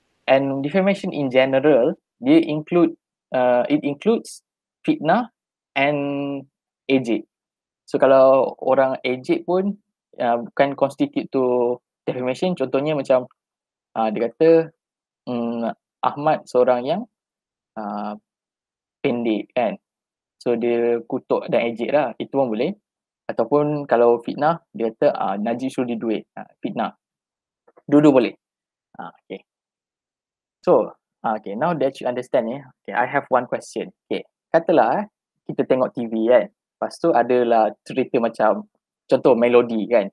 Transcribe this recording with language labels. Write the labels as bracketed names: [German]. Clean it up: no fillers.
[English] And defamation in general, dia include, it includes fitnah and ejek. [Malay] So kalau orang ejek pun bukan [English] constitute to defamation. [Malay] Contohnya macam dia kata Ahmad seorang yang pendek kan. So dia kutuk dan ejek lah. Itu pun boleh. Ataupun kalau fitnah, dia kata Najib suruh dia duit. Fitnah. Dua-dua boleh. Okay. So, okay. [English] Now that you understand ni, okay, I have one question. [Malay] Okay. Katalah, kita tengok TV kan. Lepas tu adalah cerita macam, contoh melodi kan.